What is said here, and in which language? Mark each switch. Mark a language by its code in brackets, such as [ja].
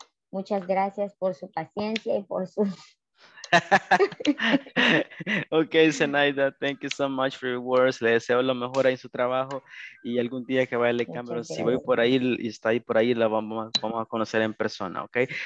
[es] Muchas gracias por su paciencia y por su... [en] Okay, Zenaida, thank you so much for your words. [es] Le deseo lo mejor ahí en su trabajo y algún día que vaya al cámara, si voy por ahí y está ahí por ahí, la vamos a conocer en persona, okay?